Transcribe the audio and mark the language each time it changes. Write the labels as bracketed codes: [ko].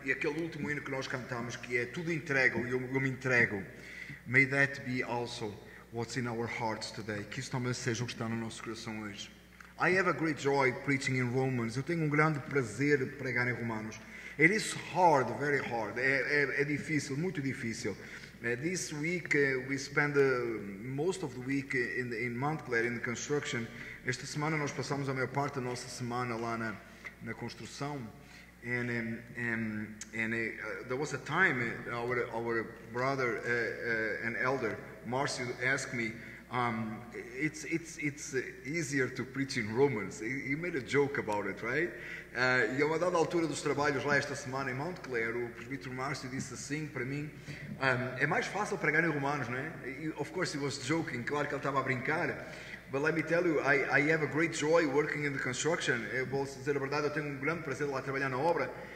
[pt] E aquele último hino que nós cantamos, que é tudo entrego, eu me entrego. [en] May that be also what's in our hearts today. [pt] Que isso também seja o que está no nosso coração hoje. [en] I have a great joy preaching in Romans. [pt] Eu tenho um grande prazer pregar em Romanos. [en] It is hard, very hard. [pt] É difícil, muito difícil. [en] This week we spend most of the week in Montclair, in the construction. [pt] Esta semana nós passamos a maior parte da nossa semana lá na construção. [en] There was a time our brother an elder Marcio asked me, it's easier to preach in Romans. He made a joke about it, right? [pt] E a uma dada altura dos trabalhos lá esta semana em Mount Clare, o presbítero Márcio disse assim para mim, é mais fácil pregar em Romanos, não é? [en] Of course he was joking, [pt] claro que ele estava a brincar. [en] But let me tell you, I have a great joy working in the construction. [pt] Eu vou dizer a verdade, eu tenho um grande prazer lá trabalhar na obra.